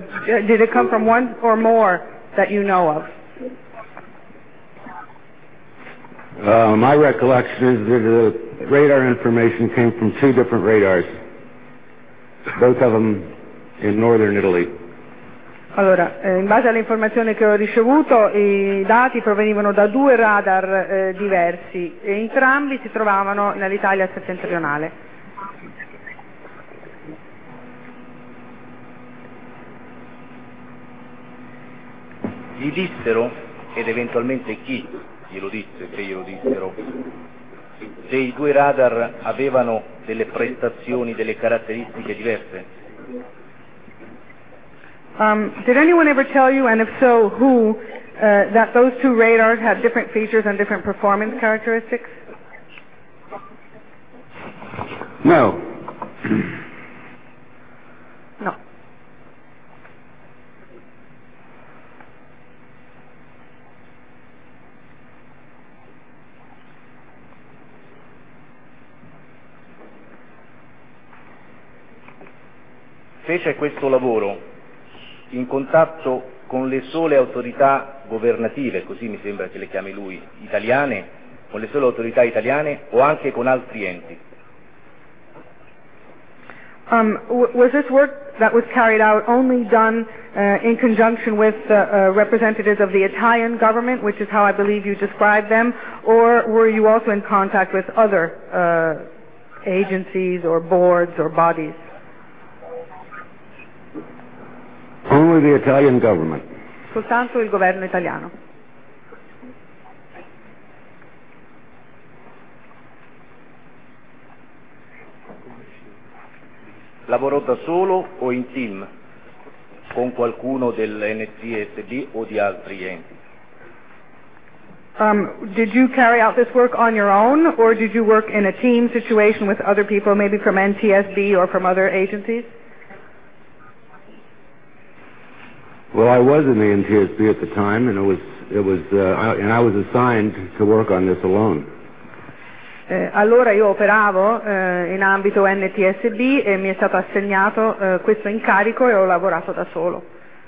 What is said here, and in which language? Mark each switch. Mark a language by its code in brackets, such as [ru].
[en] Did it come from one or more that you know of? My recollection is that the radar information came from two different radars, both of them in northern Italy. [it] Allora, in base all'informazione che ho ricevuto, i dati provenivano da due radar diversi e entrambi si trovavano nell'Italia settentrionale. Gli dissero, ed eventualmente chi glielo disse, se glielo dissero, se i due radar avevano delle prestazioni, delle caratteristiche diverse? [en] Did anyone ever tell you, and if so, who, that those two radars had different features and different performance characteristics? No. [it] No. Fece questo lavoro in contatto con le sole autorità governative, così mi sembra che le chiami lui, italiane, con le sole autorità italiane o anche con altri enti? [en] Was this work that was carried out only done in conjunction with the representatives of the Italian government, which is how I believe you described them, or were you also in contact with other agencies or boards or bodies? Only the Italian government. [it] Soltanto il governo italiano. Lavorò da solo o in team con qualcuno dell'NTSB o di altri enti? [en] Did you carry out this work on your own, or did you work in a team situation with other people, maybe from NTSB or from other agencies? Well, I was in the NTSB at the time, and I was assigned to work on this alone. [it] Allora io operavo in ambito NTSB e mi è stato assegnato questo incarico e ho lavorato da solo.